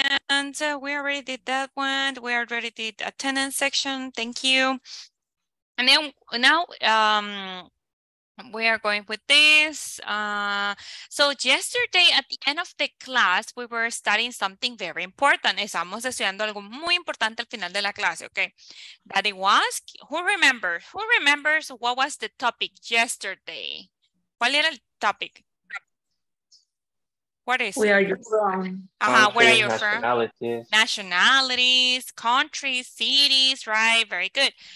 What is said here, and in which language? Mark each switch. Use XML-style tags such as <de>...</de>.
<en>And we already did that one. We already did attendance section. Thank you. And then now we are going with this. So yesterday at the end of the class, we were studying something very important.</en> <es>Estamos estudiando algo muy importante al final de la clase, okay?</es> <en>That it was, who remembers what was the topic yesterday?</en> <es>¿Cuál era el topic?</es> <en>What is where it? Are you from? Where are you from? Nationalities, countries, cities, right? Very good.</en>